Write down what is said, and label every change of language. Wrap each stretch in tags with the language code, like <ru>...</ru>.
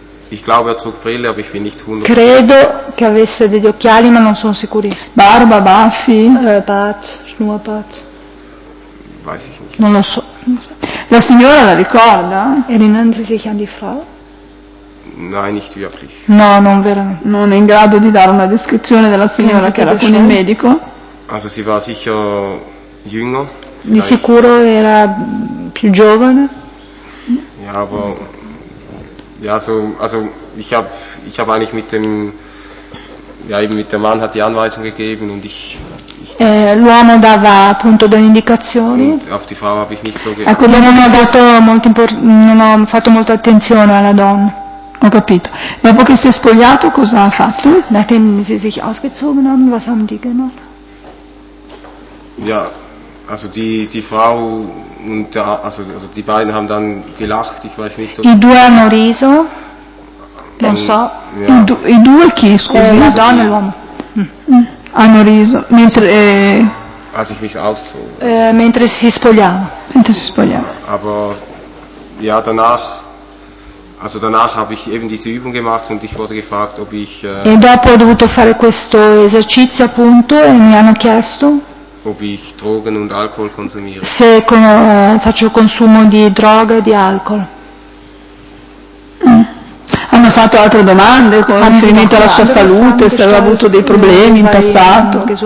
<de>Ich glaube, er trug Brille, aber ich bin nicht 100.</de> <it>Credo che avesse degli occhiali, ma non sono sicurissimo. Barba, baffi,</it> <de>Bart, Schnurrbart. Weiß ich nicht.</de> <it>Non lo so. La signora la ricorda?</it> <de>Erinnern Sie sich an die Frau? Nein, nicht wirklich.</de> <it>No, non veramente. Non è in grado di dare una descrizione della signora che era con il medico?</it> <de>Also sie war sicher jünger.</de> <it>Di sicuro era più giovane.</it> <de>Ja, aber ja, also ich habe eigentlich mit dem, ja eben mit dem Mann hat die Anweisung gegeben und ich</de> <it>l'uomo dava appunto delle indicazioni.</it> <de>Und auf die Frau habe ich nicht so</de> <it>ecco, non ho fatto molta attenzione alla donna. Ho capito. Dopo che si è spogliato, cosa ha fatto?</it> <de>Nachdem sie sich ausgezogen haben, was haben die genommen? Ja, also die Frau und der, also die beiden haben dann gelacht, ich weiß nicht, ob</de> <it>i due hanno riso, non so, ja. I due chi, scusi, la donna e l'uomo hanno riso mentre</it> <de>als ich mich auszog,</de> <it>mentre si spogliava.</it> <de>Aber ja, danach habe ich eben diese Übung gemacht und ich wurde gefragt, ob ich</de> <it>e dopo ho dovuto fare questo esercizio appunto e mi hanno chiesto</it> <de>ob ich Drogen und Alkohol konsumiere.</de> <it>Se faccio consumo di droga e di alcol. Hanno fatto altre domande con riferimento alla sua salute, se aveva avuto dei problemi in passato?</it>